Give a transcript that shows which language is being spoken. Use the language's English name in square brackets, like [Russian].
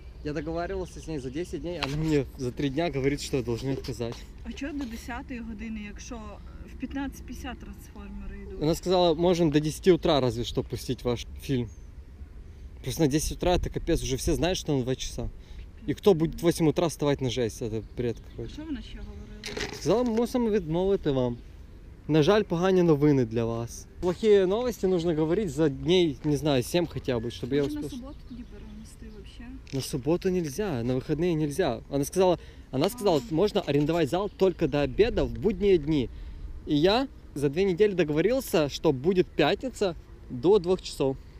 [Russian] Я договаривался с ней за 10 дней, она мне за 3 дня говорит, что должны отказать. А что до 10 годины, если в 15.50 трансформеры идут? Она сказала, можем до 10 утра разве что пустить ваш фильм. Просто на 10 утра это капец, уже все знают, что он 2 часа. И кто будет в 8 утра вставать на жесть, это бред какой-то. А что она еще говорила? Сказала, можем [Ukrainian] відмовити вам. На жаль, погані новини для вас. [Russian] Плохие новости нужно говорить за дней, не знаю, 7 хотя бы, чтобы я успел... на субботу тебе перенести вообще? На субботу нельзя, на выходные нельзя. Она сказала, можно арендовать зал только до обеда в будние дни. И я за 2 недели договорился, что будет пятница до 2 часов.